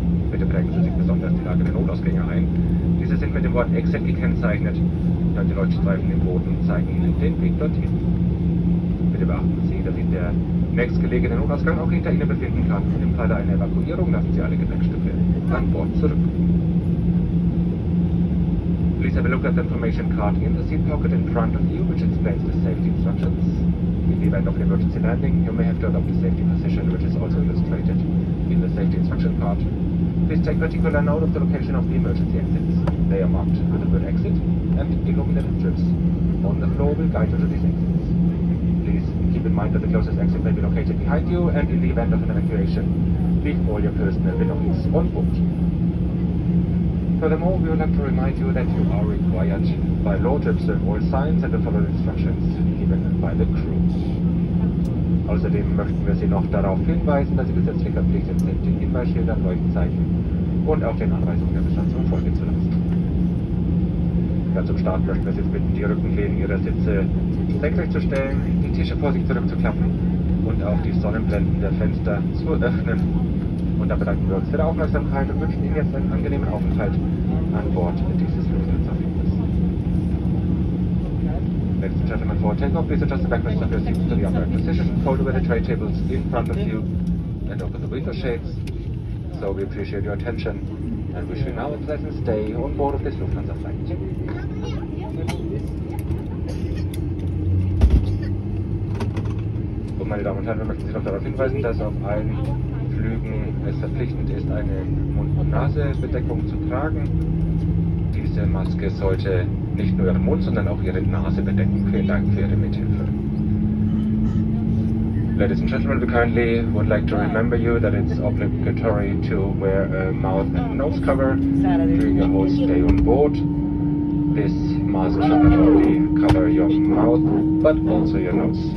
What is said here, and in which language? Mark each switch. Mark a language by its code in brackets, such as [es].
[de] Bitte prägen Sie sich besonders die Lage der Notausgänge ein. Diese sind mit dem Wort Exit gekennzeichnet. Dann die Leuchtstreifen im Boden zeigen Ihnen den Weg dorthin. Bitte beachten Sie, dass sich der nächstgelegene Notausgang auch hinter Ihnen befinden kann. Im Falle einer Evakuierung lassen Sie alle Gepäckstücke an Bord zurück. [en] Please have a look at the information card in the seat pocket in front of you, which explains the safety instructions. In the event of an emergency landing, you may have to adopt a safety position, which is also illustrated in the safety instruction card. Please take particular note of the location of the emergency exits. They are marked with the word exit and illuminated strips. On the floor will guide you to these exits. Please keep in mind that the closest exit may be located behind you, and in the event of an evacuation, leave all your personal belongings on board. Furthermore, we would like to remind you that you are required by law to observe all signs and to follow the instructions given by the crew. [de] Außerdem möchten wir Sie noch darauf hinweisen, dass Sie gesetzlich verpflichtet sind, den Hinweisschild an Leuchtzeichen und auch den Anweisungen der Besatzung folgen zu lassen. Ja, zum Start möchten wir Sie jetzt bitten, die Rückenlehnen Ihrer Sitze senkrecht zu stellen, die Tische vor sich zurückzuklappen und auch die Sonnenblenden der Fenster zu öffnen. Und da bedanken wir uns für die Aufmerksamkeit und wünschen Ihnen jetzt einen angenehmen Aufenthalt an Bord dieses Luftfahrzeugs. [en] Ladies and gentlemen, for takeoff, please adjust the back of your seat to the upright position, fold over the tray tables in front of you, and open the window shades. So we appreciate your attention, and wish you now a pleasant stay on board of this Lufthansa flight. [de] Und meine Damen und Herren, wir möchten Sie noch darauf hinweisen, dass auf allen Flügen es verpflichtend ist, eine Mund- und Nasebedeckung zu tragen. Diese Maske sollte nicht nur Ihren Mund, sondern auch Ihre Nase bedecken. Vielen Dank für Ihre Mithilfe. [en] Ladies and gentlemen, we kindly would like to remember you that it's obligatory to wear a mouth and nose cover during your whole stay on board. This mask should not only cover your mouth, but also your nose.